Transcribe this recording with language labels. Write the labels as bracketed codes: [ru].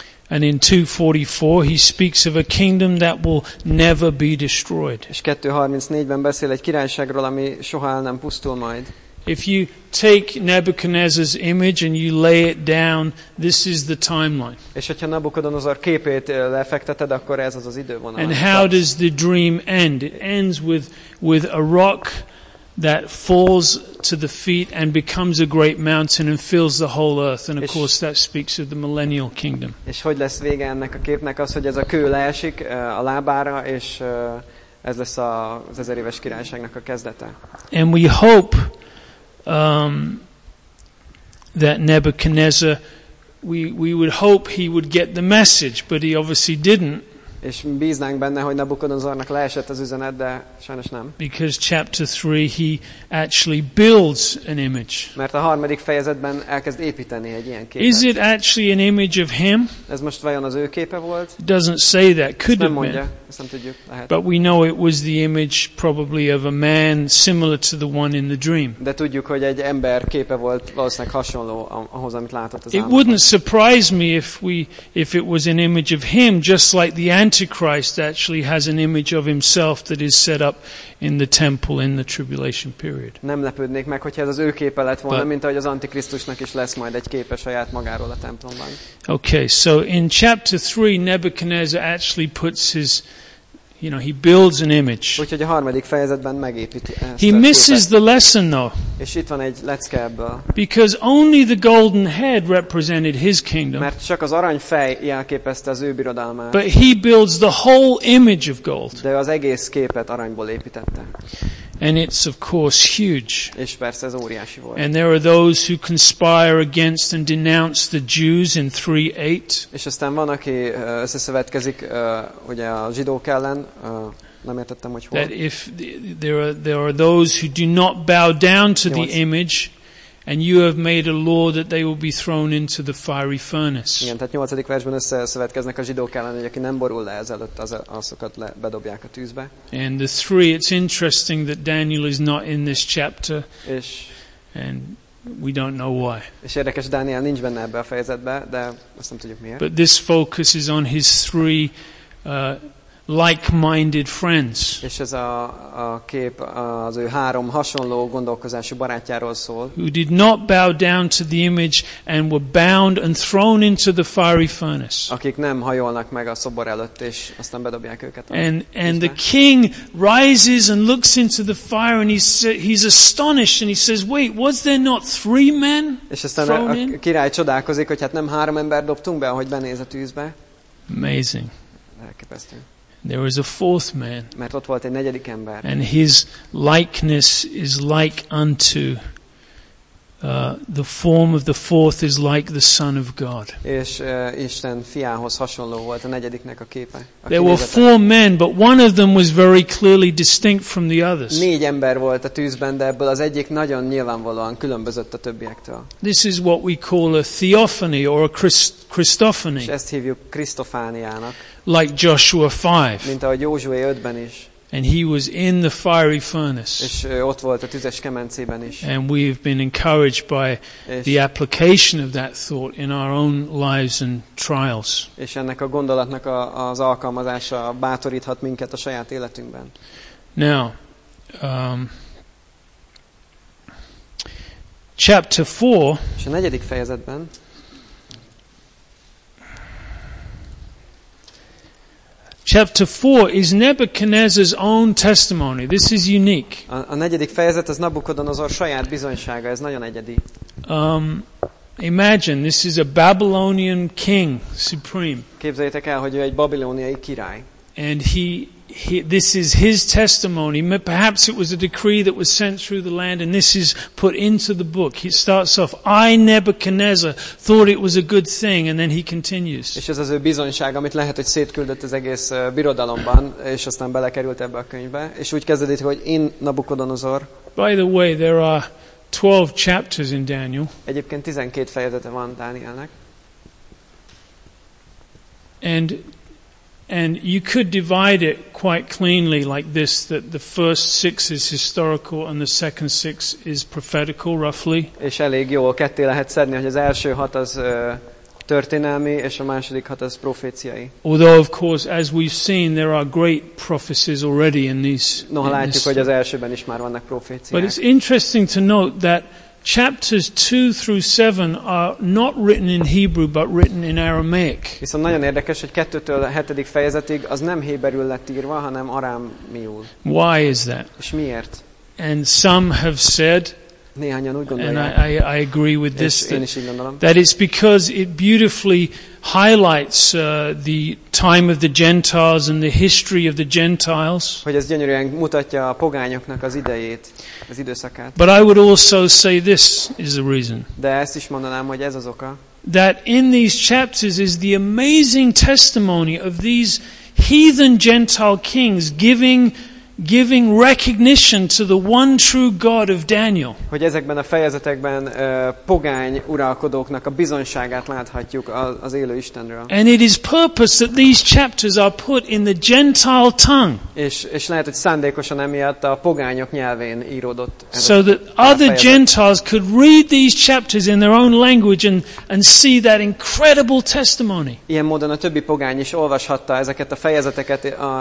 [en] And in 244 he speaks of a kingdom that will never be destroyed. [hu] És 234-ben beszél egy királyságról, ami soha el nem pusztul majd. [en] If you take Nebuchadnezzar's image and you lay it down, this is the timeline. [hu] És hogyha Nebuchadnezzar képét lefekteted, akkor ez az idővonal. [en] And how does the dream end? It ends with a rock that falls to the feet and becomes a great mountain and fills the whole earth. And of course that speaks of the millennial kingdom. [hu] És hogy lesz vége ennek a képnek, az, hogy ez a kő leesik a lábára, és ez lesz az ezer éves királyságnak a kezdete. [en] And we hope that Nebuchadnezzar, we would hope he would get the message, but he obviously didn't. [hu] És bíznánk benne, hogy Nebukadnezarnak leesett az üzenet, de sajnos nem. [en] Because chapter 3 he actually builds an image. [hu] Mert a harmadik fejezetben elkezd építeni egy ilyen képet. [en] Is it actually an image of him? [hu] Ez most vajon az ő képe volt? [en] Doesn't say that. Could have been. [hu] Ezt nem tudjuk, lehet. [en] But we know it was the image probably of a man similar to the one in the dream. [hu] De tudjuk, hogy egy ember képe volt valószínűleg hasonló ahhoz, amit látott az álmában. [en] It wouldn't surprise me if it was an image of him, just like the Antichrist actually has an image of himself that is set up in the temple in the tribulation period. [hu] Nem lepődnék meg, hogyha ez az ő képe lett volna, mint ahogy az Antikrisztusnak is lesz majd egy képe saját magáról a templomban. [en] Okay, so in chapter 3 Nebuchadnezzar actually puts his, you know, he builds an image. [hu] Úgyhogy a harmadik fejezetben megépíti. [en] He misses the lesson though. [hu] És itt van egy lecke ebből. [en] Because only the golden head represented his kingdom. [hu] Mert csak az arany fej jelképezte az ő birodalmát. [en] But he builds the whole image of gold. [hu] De az egész képet aranyból építette. [en] And it's of course huge. [hu] És persze ez óriási volt. [en] And there are those who conspire against and denounce the Jews in 3:8. [hu] És aztán van, aki összeszövetkezik ugye a zsidók ellen. Nem értettem, hogy hol. [en] That if there are those who do not bow down to the image, and you have made a law that they will be thrown into the fiery furnace. [hu] Igen, tehát 8. versben összeszövetkeznek a zsidók ellen, hogy aki nem borul le ezelőtt, azokat bedobják a tűzbe. [en] And the 3, it's interesting that Daniel is not in this chapter. [hu] És [en] and we don't know why. [hu] És érdekes, Dániel nincs benne ebbe a fejezetbe, de azt nem tudjuk miért. [en] But this focus is on his 3 like-minded friends. [hu] És ez a kép az ő 3 hasonló gondolkozású barátjáról szól. [en] Who did not bow down to the image and were bound and thrown into the fiery furnace. [hu] Akik nem hajolnak meg a szobor előtt és aztán bedobják őket. [en] And the king rises and looks into the fire and he's astonished and he says, wait, was there not 3 men? [hu] És aztán a király csodálkozik, hogy hát nem 3 ember dobtunk be, ahogy benéz a tűzbe. [en] Amazing. [hu] Elképesztő. [en] There is a fourth man. [hu] Mert ott volt egy negyedik ember. [en] And his likeness is like unto the form of the fourth is like the Son of God. [hu] És Isten fiához hasonló volt a negyediknek a képe. [en] There were 4 men, but one of them was very clearly distinct from the others. [hu] 4 ember volt a tűzben, de ebből az egyik nagyon nyilvánvalóan különbözött a többiektől. [en] This is what we call a theophany or a Christophany. [hu] És ezt hívjuk Krisztofániának. [en] Like Joshua 5. [hu] Mint ahogy Józsué 5-ben is. [en] And he was in the fiery furnace. [hu] És ott volt a tüzes kemencében is. [en] And we've been encouraged by the application of that thought in our own lives and trials. [hu] És ennek a gondolatnak az alkalmazása bátoríthat minket a saját életünkben. [en] Now, chapter 4. [hu] És a negyedik fejezetben. [en] Chapter 4 is Nebuchadnezzar's own testimony. This is unique. [hu] A negyedik fejezet az Nabukodonozor saját bizonysága. Ez nagyon egyedi. [en] Imagine, this is a Babylonian king supreme. [hu] Képzeljétek el, hogy ő egy babiloniai király. [en] And he this is his testimony. Perhaps it was a decree that was sent through the land and this is put into the book. He starts off, I Nebuchadnezzar thought it was a good thing, and then he continues. [hu] És ez az ő bizonyság, amit lehet, hogy szétküldött az egész birodalomban, és aztán belekerült ebbe a könyvbe, és úgy kezdődik, hogy én Nabukodonozor. [en] By the way, there are 12 chapters in Daniel. [hu] Egyébként 12 fejezete van Dánielnek. [en] And you could divide it quite cleanly like this, that the first 6 is historical and the second 6 is prophetical roughly. [hu] És elég jó ketté lehet szedni, hogy az első 6 az történelmi és a második 6 az proféciai. [en] Although of course as we've seen there are great prophecies already in these. [hu] Noha látjuk, hogy az elsőben is már vannak proféciák. [en] But it's interesting to note that chapters 2 through 7 are not written in Hebrew but written in Aramaic. [hu] Viszont nagyon érdekes, hogy 2-től 7. fejezetig az nem héberül lett írva, hanem arámiul. [en] Why is that? [hu] És miért? [en] And some have said, [hu] néhányan úgy gondolják, [en] and I agree with this, [hu] én is így gondolom, [en] that it's because it beautifully highlights the time of the Gentiles and the history of the Gentiles. [hu] Hogy ez gyönyörűen mutatja a pogányoknak az idejét, az időszakát. [en] But I would also say this is the reason. [hu] De ezt is mondanám, hogy ez az oka. [en] That in these chapters is the amazing testimony of these heathen Gentile kings giving recognition to the one true God of Daniel. [hu] Hogy ezekben a fejezetekben pogány uralkodóknak a bizonyságát láthatjuk az élő Istenről. [en] And it is purpose that these chapters are put in the Gentile tongue. [hu] És lehet, hogy szándékosan emiatt a pogányok nyelvén íródott. [en] So that other Gentiles could read these chapters in their own language and see that incredible testimony. [hu] Ilyen módon a többi pogány is olvashatta ezeket a fejezeteket,